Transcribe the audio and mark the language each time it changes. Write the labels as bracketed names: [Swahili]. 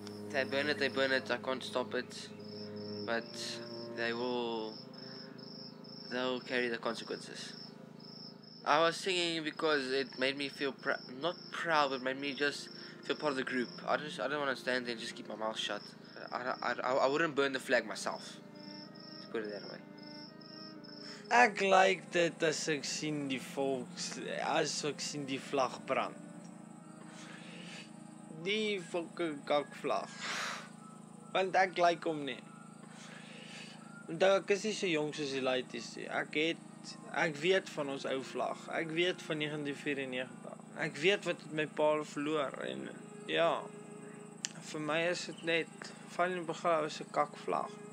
[English] They burn it, I can't stop it, but they'll carry the consequences. I was singing because it made me feel not proud, but made me just feel part of the group. I don't want to stand there and just keep my mouth shut. I wouldn't burn the flag myself, to put it that way. [Afrikaans] Ek like dit as ek sien die volks, as ek sien die vlag brand. Die volke kak vlag. Want ek like hom nie. Want ek is nie so jong soos die laities nie. Ek weet van ons ou vlag. Ek weet van 1994. Ek weet wat het my pa verloor. En ja, vir my is het net, van die begin is een kak vlag.